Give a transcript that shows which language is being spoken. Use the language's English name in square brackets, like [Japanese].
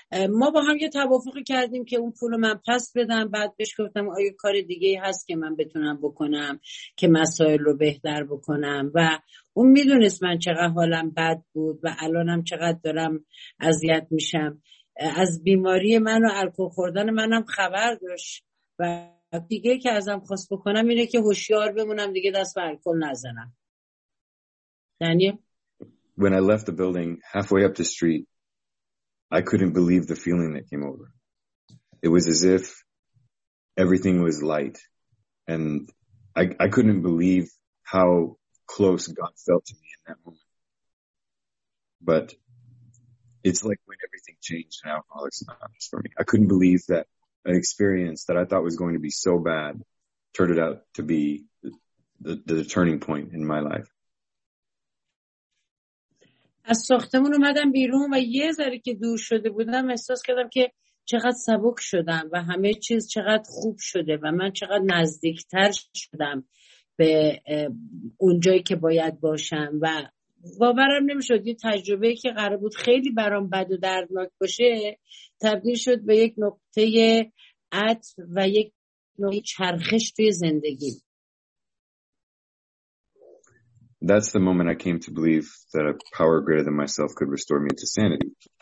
[Persian] ما با هم یه توافقی کردیم که اون پولو من پس بدم، بعد بهش گفتم آیا کار دیگه هست که من بتونم بکنم که مسائل رو بهتر بکنم، و اون میدونست من چقدر حالم بد بود و الانم چقدر دارم اذیت میشم، از بیماری من و الکل خوردن منم خبر داشت و دیگه که ازم خواست بکنم اینه که هوشیار بمونم دیگه دست به الکل نزنم. دانیل؟ [English] When I left the building halfway up the street, I couldn't believe the feeling that came over. It was as if everything was light, and I couldn't believe how close God felt to me in that moment. But it's like when everything changed in Alcoholics Anonymous for me. I couldn't believe that an experience that I thought was going to be so bad turned out to be the turning point in my life. [Persian] از ساختمون اومدم بیرون و یه ذره که دور شده بودم احساس کردم که چقدر سبک شدم و همه چیز چقدر خوب شده و من چقدر نزدیکتر شدم به اونجایی که باید باشم و باورم نمیشد یه تجربه که قرار بود خیلی برام بد و دردناک باشه تبدیل شد به یک نقطه عطف و یک نقطه چرخش توی زندگی. [English] That's the moment I came to believe that a power greater than myself could restore me to sanity.